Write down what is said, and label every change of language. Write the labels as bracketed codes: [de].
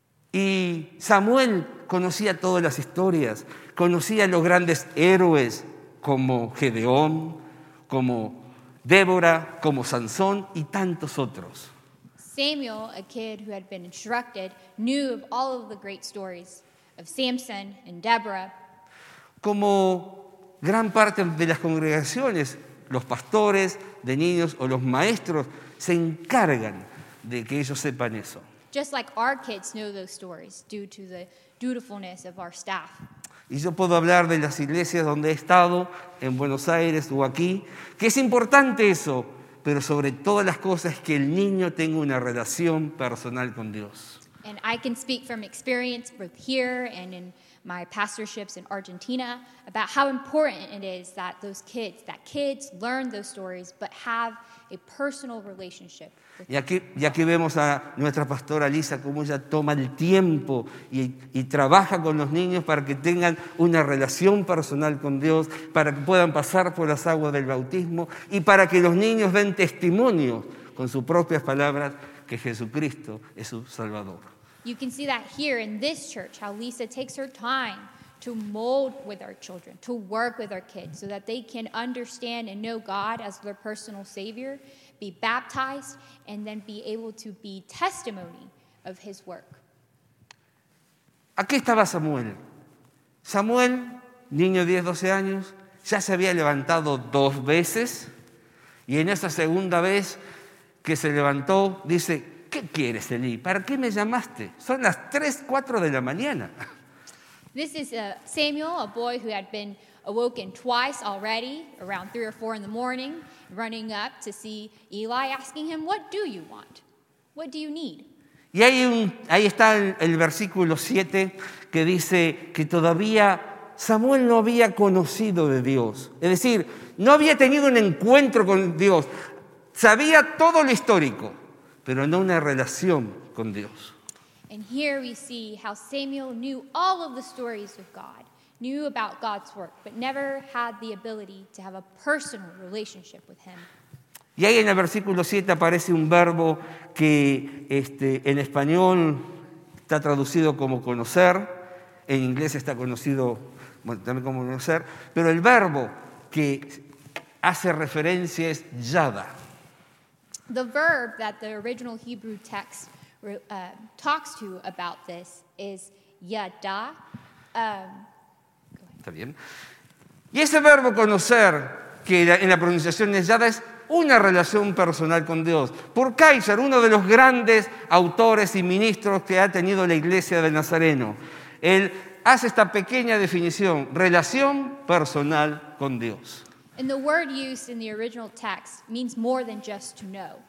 [es] Y Samuel conocía todas las historias, conocía los grandes héroes como Gedeón, como Débora, como Sansón y tantos otros. [en] Samuel, a kid who had been instructed, knew of all of the great stories of Samson and Deborah. [es] Como gran parte de las congregaciones, los pastores de niños o los maestros se encargan de que ellos sepan eso. [en] Just like our kids know those stories due to the dutifulness of our staff. [es] Y yo puedo hablar de las iglesias donde he estado, en Buenos Aires o aquí, que es importante eso, pero sobre todas las cosas que el niño tenga una relación personal con Dios. [en] And I can speak from experience both here and in my pastorships in Argentina about how important it is that those kids, that kids learn those stories but have a personal relationship. [es] Y aquí vemos a nuestra pastora Lisa cómo ella toma el tiempo y trabaja con los niños para que tengan una relación personal con Dios, para que puedan pasar por las aguas del bautismo y para que los niños den testimonio con sus propias palabras que Jesucristo es su Salvador. [en] You can see that here in this church, how Lisa takes her time to mold with our children, to work with our kids, so that they can understand and know God as their personal Savior, be baptized, and then be able to be testimony of His work. [es] Aquí estaba Samuel. Samuel, niño de 10, 12 años, ya se había levantado dos veces, y en esa segunda vez que se levantó, dice, ¿qué quieres, Eli? ¿Para qué me llamaste? Son las 3, 4 de la mañana. [en] This is Samuel, a boy who had been awoken twice already, around 3 or 4 in the morning, running up to see Eli, asking him, what do you want? What do you need? [es] Y ahí está el versículo 7, que dice que todavía Samuel no había conocido de Dios. Es decir, no había tenido un encuentro con Dios. Sabía todo lo histórico, pero no una relación con Dios. [en] And here we see how Samuel knew all of the stories of God, knew about God's work, but never had the ability to have a personal relationship with Him. [es] Y ahí en el versículo 7 aparece un verbo que en español está traducido como conocer, en inglés está conocido también como conocer, pero el verbo que hace referencia es yada. [en] The verb that the original Hebrew text talks to about this is yada, [es] Está bien. Y ese verbo conocer, que en la pronunciación es ya, es una relación personal con Dios. Por Kaiser, uno de los grandes autores y ministros que ha tenido la Iglesia del Nazareno, él hace esta pequeña definición: relación personal con Dios. [en] And the word used in the original text means more than just to know.